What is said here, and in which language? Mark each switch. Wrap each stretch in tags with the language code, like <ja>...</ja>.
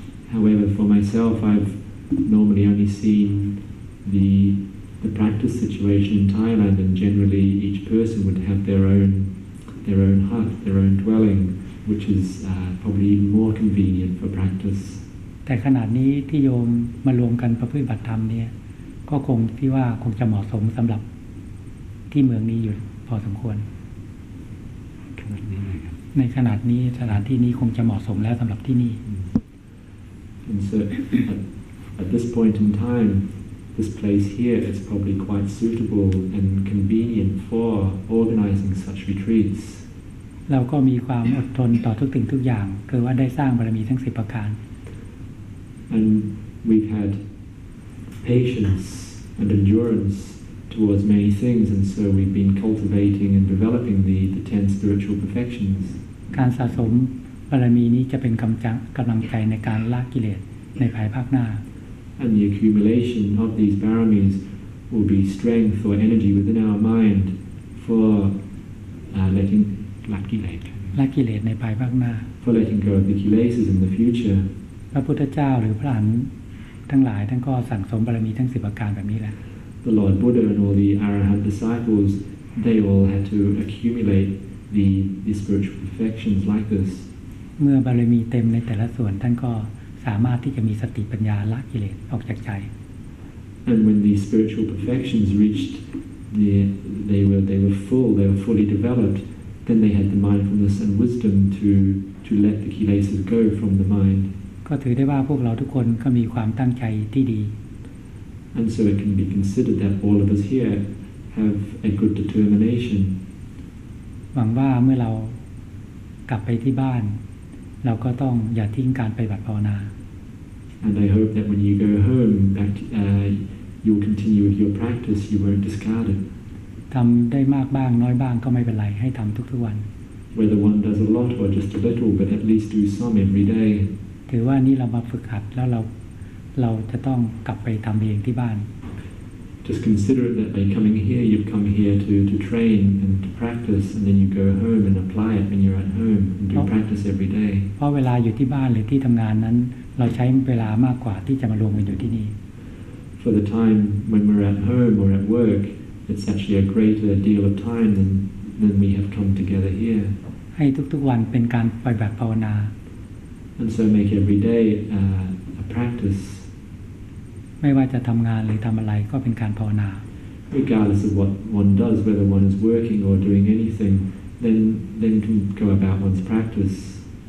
<en>However for myself I've normally only seen the practice situation in Thailand and generally each person would have their own hut their own dwelling which is probably even more convenient for practice</en> <th>แต่ขนาดนี้ที่โยมมารวมกันประพฤติปฏิบัติธรรมเนี่ยก็คงที่ว่าคงจะเหมาะสมสำหรับที่เมืองนี้อยู่พอสมควรในขนาดนี้สถานที่นี้คงจะเหมาะสมแล้วสำหรับที่นี่</th> <en>And so at this point in time this place here is probably quite suitable and convenient for organizing such retreats</en> <th>เราก็มีความอดทนต่อทุกสิ่งทุกอย่างคือว่าได้สร้างบารมีทั้ง10ประการ</th> <en>And we've had patience and endurance towards many things, and so we've been cultivating and developing the ten spiritual perfections.</en> <th>การสะสมบารมีนี้จะเป็นกำลังใจในการละกิเลสในภายภาคหน้า</th> <en>And the accumulation of these baramis will be strength or energy within our mind for letting</en> <th>ละกิเลสในภายภาคหน้า</th> <en>for letting go of the kilesas in the future.</en> <th>พระพุทธเจ้าหรือพระอรหันต์ทั้งหลายท่านก็สั่งสมบารมีทั้ง10ประการแบบนี้แหละ</th> <en>The Lord Buddha and all the Arahant disciples they all had to accumulate the spiritual perfections like this</en> <th>เมื่อบารมีเต็มในแต่ละส่วนท่านก็สามารถที่จะมีสติปัญญาละกิเลสออกจากใจ</th> <en>And when the spiritual perfections reached they were full they were fully developed then they had the mindfulness and wisdom to let the kilesas go from the mind</en> <th>ก็ถือได้ว่าพวกเราทุกคนก็มีความตั้งใจที่ดี</th> <en>And so it can be considered that all of us here have a good determination</en> <th>หวังว่าเมื่อเรากลับไปที่บ้านเราก็ต้องอย่าทิ้งการไปบัตรภาวนา</th> <en>And I hope that when you go home that you continue with your practice you won't discard it</en> <th>ทำได้มากบ้างน้อยบ้างก็ไม่เป็นไรให้ทำทุกๆวัน</th> <en>Whether one does a lot or just a little but at least do some every day</en> <th>ถือว่านี่เรามาฝึกหัดแล้วเราจะต้องกลับไปทำเองที่บ้าน</th> <en>Just consider that by coming here you've come here to train and to practice and then you go home and apply it when you're at home and do practice every day</en> <th>เพราะเวลาอยู่ที่บ้านหรือที่ทำงานนั้นเราใช้เวลามากกว่าที่จะมารวมกันอยู่ที่นี่</th> <en>for the time when we're at home or at work, it's actually a greater deal of time than we have come together here.</en> <th>ให้ทุกๆวันเป็นการปฏิบัติภาวนา</th> <en>And so make every day a practice.</en> <th>ไม่ว่าจะทำงานหรือทำอะไรก็เป็นการภาวนา</th> <en>Regardless of what one does, whether one is working or doing anything, then can go about one's practice.</en>